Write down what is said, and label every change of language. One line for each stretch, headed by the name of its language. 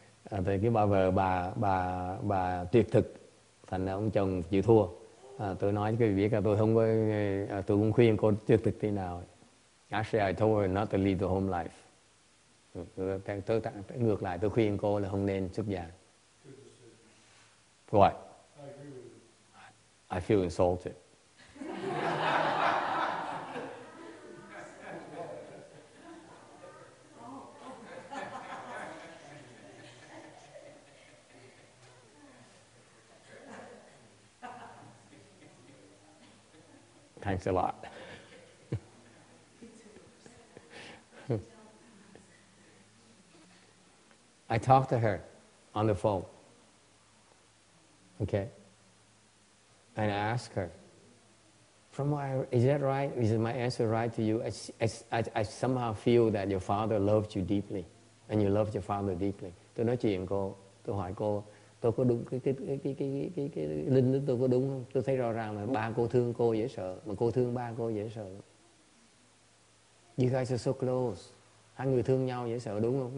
Vietnamese: Thầy cứ bảo vợ bà tuyệt thực, thành ra ông chồng chịu thua. Tôi nói cho quý vị biết là tôi không có, tôi cũng khuyên cô tuyệt thực thế nào.
English: Actually, I told her not to leave the home life.
Vietnamese: Tôi ngược lại, tôi khuyên cô là không nên xuất gia.
English: Good decision. What? I agree with you. I feel insulted. Thanks a lot. I talked to her on the phone. Okay. And I asked her, "From what I, is that right? Is my answer right to you? I somehow feel that your father loved you deeply, and you loved your father deeply."
Vietnamese: Tôi nói chuyện cô, tôi hỏi cô, tôi có đúng cái linh đó tôi có đúng không? Tôi thấy rõ ràng là ba cô thương cô dễ sợ, mà cô thương ba cô dễ sợ.
English: You guys are so close.
Vietnamese: Hai người thương nhau dễ sợ đúng không?